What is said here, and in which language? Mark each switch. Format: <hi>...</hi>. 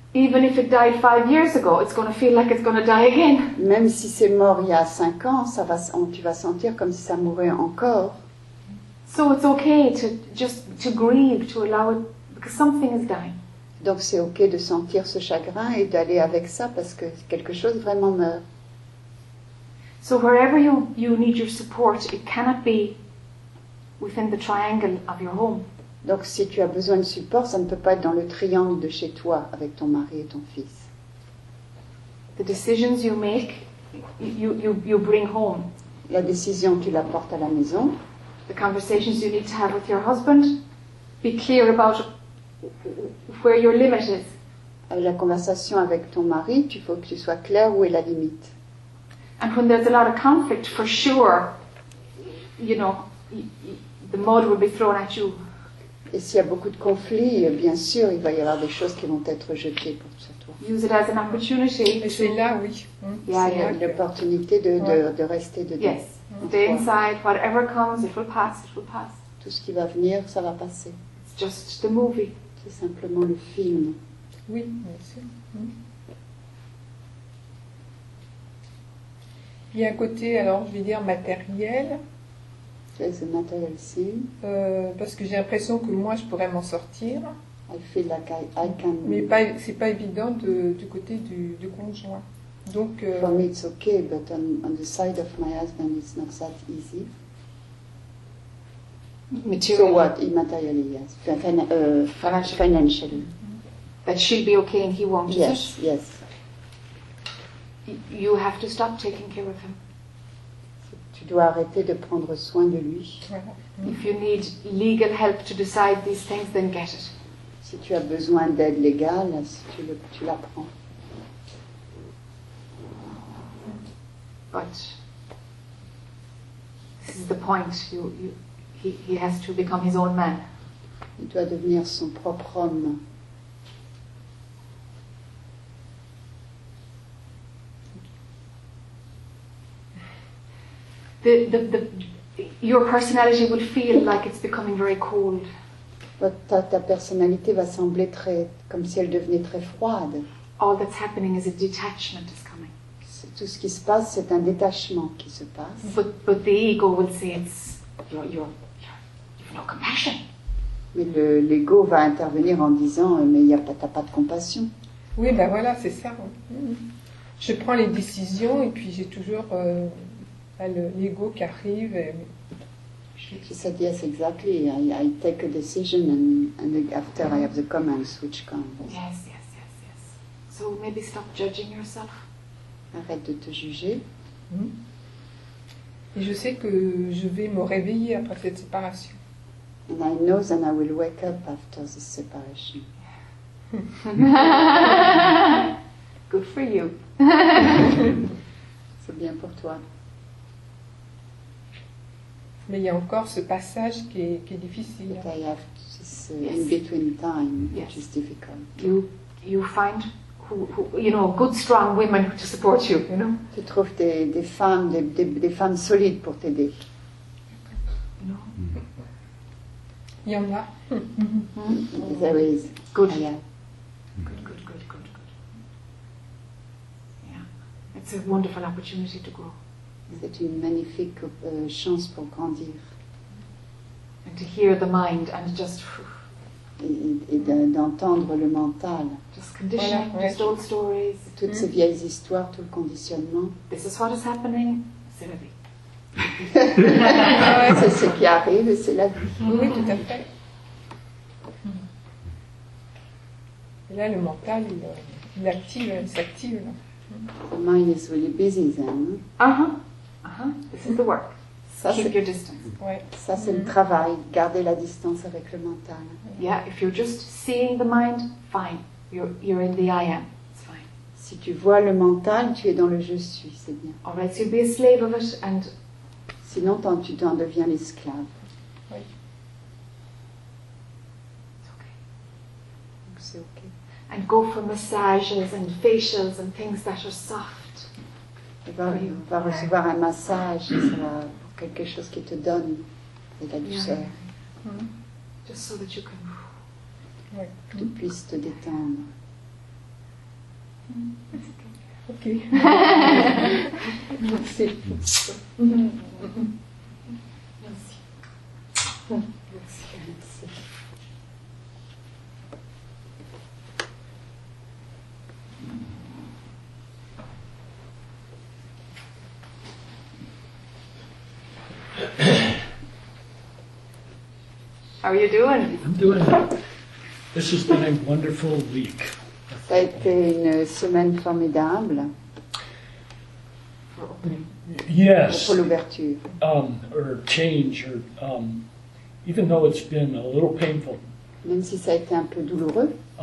<en>Even if it died 5 years ago, it's going to feel like it's going to die again.</en> <fr>Même si c'est mort il y a 5 ans, tu vas sentir comme si ça mourait encore.</fr> <en>So it's okay to just to grieve, to allow it, because something is dying.</en> <fr>Donc c'est okay de sentir ce chagrin et d'aller avec ça parce que quelque chose vraiment meurt.</fr> <en>So wherever you need your support, it cannot be within the triangle of your home.</en> <fr>Donc si tu as besoin de support, ça ne peut pas être dans le triangle de chez toi avec ton mari et ton fils.</fr> <en>The decisions you make, you bring home.</en> <fr>La décision, tu la portes à la maison.</fr> <en>The conversations you need to have with your husband, be clear about where your limit is.</en> <fr>La conversation avec ton mari, tu faut que tu sois clair où est la limite.</fr> <en>And when there's a lot of conflict, for sure, you know, the mud will be thrown at you.</en> <fr>Et s'il y a beaucoup de conflits, bien sûr, il va y avoir des choses qui vont être jetées pour toi.</fr> <en>Use it as an opportunity.</en> <fr>Mais c'est là, oui. Il y a l'opportunité de rester dedans.</fr> <en>Yes, The inside, whatever comes, it will pass, it will pass.</en> <fr>Tout ce qui va venir, ça va passer.</fr> <en>It's just the movie.</en> <fr>C'est simplement le film. Oui, bien sûr. Il y a un côté, alors, je vais dire matériel.</fr> <en>There's a material scene.</en> <fr>Parce que j'ai l'impression que moi, je pourrais m'en sortir.</fr> <en>I feel like I can.</en> <fr>Mais pas, c'est pas évident de, du côté du conjoint. Donc,</fr> <en>For me, it's okay, but on the side of my husband, it's not that easy. Material. So what? Immaterially, yes. Financially. That she'll be okay and he won't. Yes, yes. You have to stop taking care of him.</en> <fr>Tu dois arrêter de prendre soin de lui.</fr> <en>If you need legal help to decide these things, then get it.</en> <fr>Si tu as besoin d'aide légale, tu la prends.</fr> <en>But this is the point. He has to become his own man.</en> <fr>Il doit devenir son propre homme.</fr> <en>The your personality will feel like it's becoming very cold.</en> <fr>Ta personnalité va sembler très comme si elle devenait très froide.</fr> <en>All that's happening is a detachment is coming.</en> <fr>Tout ce qui se passe, c'est un détachement qui se passe.</fr> <en>But the ego will say it's you've no compassion.</en> <fr>Mais l'ego va intervenir en disant mais t'as pas de compassion. Oui, ben voilà, c'est ça. Je prends les décisions et puis j'ai toujours l'ego qui arrive.</fr> <en>She said yes, exactly. I take a decision and after I have the comments which come. Yes, yes, yes, yes. So maybe stop judging yourself.</en> <fr>Arrête de te juger. Et je sais que je vais me réveiller après cette séparation.</fr> <en>And I know that I will wake up after the separation. Good for you.</en> <fr>C'est bien pour toi. Mais il y a encore ce passage qui est difficile.</fr> <en>But I have this in between time, which is difficult. You find who good strong women to support you, you know.</en> <fr>Tu trouves des femmes des femmes solides pour t'aider.</fr> <en>No.</en> <fr>Il y en a.</fr> <en>There is good. Yeah. Good. Yeah, it's a wonderful opportunity to grow.</en> <fr>C'est une magnifique chance pour grandir.</fr> <en>And to hear the mind and just.</en> <fr>Et d'entendre le mental.</fr> <en>Just conditioning, voilà, just old stories.</en> <fr>Toutes ces vieilles histoires, tout le conditionnement.</fr> <en>This is what is happening,</en> <fr>c'est la vie. C'est ce qui arrive, c'est la vie. Oui, tout à fait. Et là, le mental, il active, il s'active.</fr> <en>The mind is really busy then. This is the work. Keep your distance.</en> <fr>Ouais. Ça, c'est le travail. Garder la distance avec le mental.</fr> <en>Yeah, if you're just seeing the mind, fine. You're in the I am. It's fine.</en> <fr>Si tu vois le mental, tu es dans le je suis. C'est bien.</fr> <en>Or else you'll be a slave of it and.</en> <fr>Sinon, tu t'en deviens l'esclave. Oui. Okay. C'est okay.</fr> <en>And go for massages and facials and things that are soft.</en> <fr>Va recevoir un massage, et ça va pour quelque chose qui te donne de la douceur.</fr> <en>Just so that you can.</en> <fr>Ouais. Que tu puisses te détendre. Ok. Merci. Merci.</fr> <en>How are you doing? I'm doing it. This has been a wonderful week.</en> <fr>Ça a été une semaine formidable.</fr> <en>Yes.</en> <fr>Pour l'ouverture.</fr> <en>Or change, or even though it's been a little painful.</en> <fr>Même si ça a été un peu douloureux.</fr>